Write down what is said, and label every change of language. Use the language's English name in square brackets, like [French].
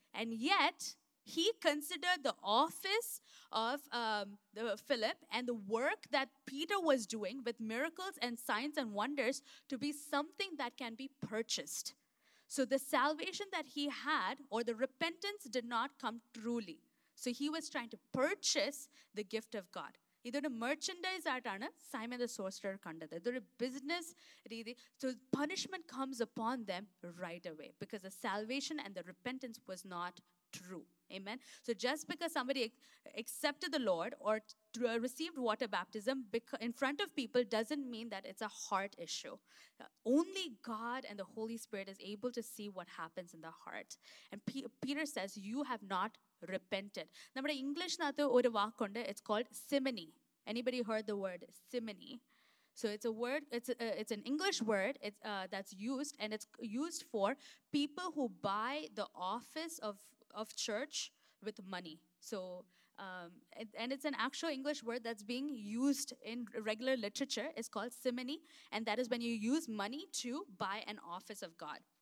[English] And yet he considered the office of the Philip and the work that Peter was doing with miracles and signs and wonders to be something that can be purchased. So the salvation that he had or the repentance did not come truly. So he was trying to purchase the gift of God. [Malayalam] ഇതൊരു merchandise ആയിട്ടാണ് Simon the സോർസറർ കണ്ടത്, ഇതൊരു business രീതി. [English] So punishment comes upon them right away because the salvation and the repentance was not true. Amen. So just because somebody accepted the Lord or received water baptism in front of people doesn't mean that it's a heart issue. Only God and the Holy Spirit is able to see what happens in the heart. And Peter says, you have not repented. [Malayalam] നമ്മുടെ ഇംഗ്ലീഷിനകത്ത് ഒരു വാക്കുണ്ട്, [English] it's called simony. Anybody heard the word simony? So it's a word, it's an English word, it's that's used, and it's used for people who buy the office of church with money. So and it's an actual English word that's being used in regular literature, is called simony, and that is when you use money to buy an office of God.